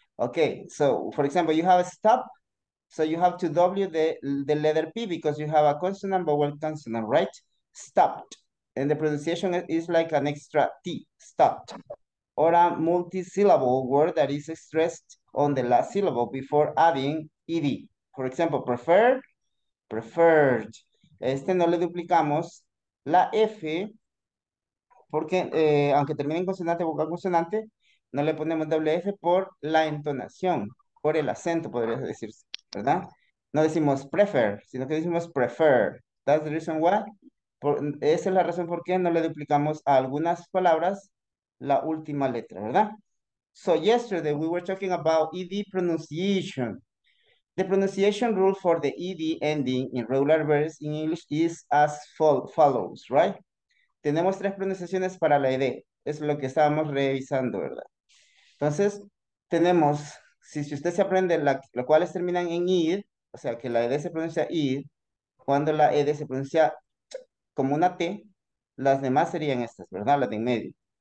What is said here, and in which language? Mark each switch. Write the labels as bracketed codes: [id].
[en] Okay, so for example, you have a stop. So you have to W the letter P because you have a consonant, vowel, consonant, right? Stopped. And the pronunciation is like an extra T, stopped. Or a multisyllable word that is stressed on the last syllable before adding ED. For example, preferred, preferred. [es] Este no le duplicamos la F, porque aunque termine en consonante, vocal consonante, no le ponemos doble F por la entonación, por el acento, podría decirse, ¿verdad? No decimos prefer, sino que decimos prefer. [en] That's the reason why. [es] Esa es la razón por qué no le duplicamos a algunas palabras la última letra, ¿verdad? [en] So yesterday we were talking about ED pronunciation. The pronunciation rule for the ED ending in regular verbs in English is as follows, right? [es] Tenemos tres pronunciaciones para la ED. Es lo que estábamos revisando, ¿verdad? Entonces, tenemos, si usted se aprende lo cuales terminan en ID, o sea, que la ED se pronuncia ID, cuando la ED se pronuncia como una T, las demás serían estas, ¿verdad? Las de en medio.